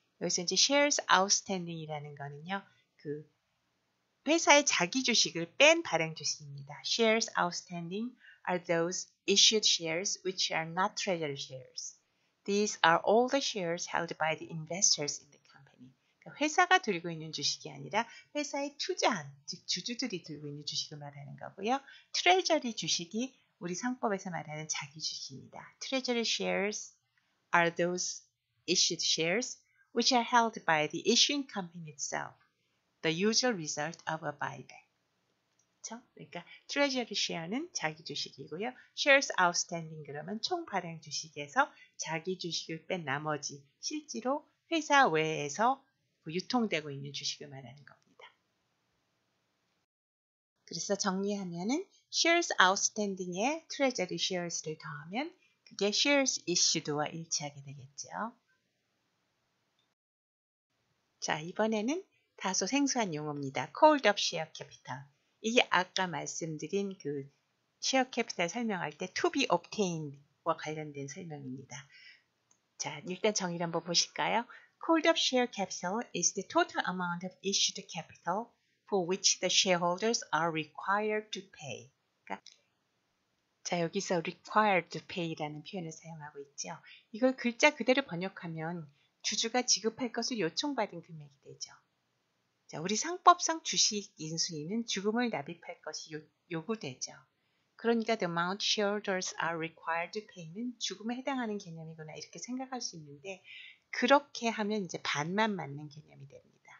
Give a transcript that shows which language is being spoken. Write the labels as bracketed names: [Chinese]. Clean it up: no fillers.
[Korean] 여기서 이제 shares outstanding이라는 거는요, 그 회사의 자기 주식을 뺀 발행 주식입니다. [English] Shares outstanding are those issued shares which are not treasury shares. These are all the shares held by the investors in the company. [Korean] 그러니까 회사가 들고 있는 주식이 아니라 회사에 투자한, 즉 주주들이 들고 있는 주식을 말하는 거고요. Treasury 주식이 우리 상법에서 말하는 자기 주식입니다. [English] Treasury shares are those issued shares which are held by the issuing company itself. The usual result of a buyback. [Korean] 그쵸? 그러니까 [English] treasury share는 [Korean] 자기 주식이고요. shares outstanding 그러면 총 발행 주식에서 자기 주식을 뺀 나머지 실제로 회사 외에서 유통되고 있는 주식을 말하는 겁니다. 그래서 정리하면은 shares outstanding에 treasury shares를 더하면 그게 shares issued와 일치하게 되겠죠. 자, 이번에는 다소 생소한 용어입니다. [English] called up share capital. [Korean] 이게 아까 말씀드린 그 [English] share capital [Korean] 설명할 때 [English] to be obtained와 [Korean] 관련된 설명입니다. 자, 일단 정의를 한번 보실까요? [English] called up share capital is the total amount of issued capital for which the shareholders are required to pay. [Korean] 그러니까 자, 여기서 required to pay라는 표현을 사용하고 있죠. 이걸 글자 그대로 번역하면 주주가 지급할 것을 요청받은 금액이 되죠. 자, 우리 상법상 주식 인수인은 주금을 납입할 것이 요구되죠. 그러니까 [English] the amount shareholders are required to pay [Korean] 는 주금에 해당하는 개념이구나 이렇게 생각할 수 있는데 그렇게 하면 이제 반만 맞는 개념이 됩니다.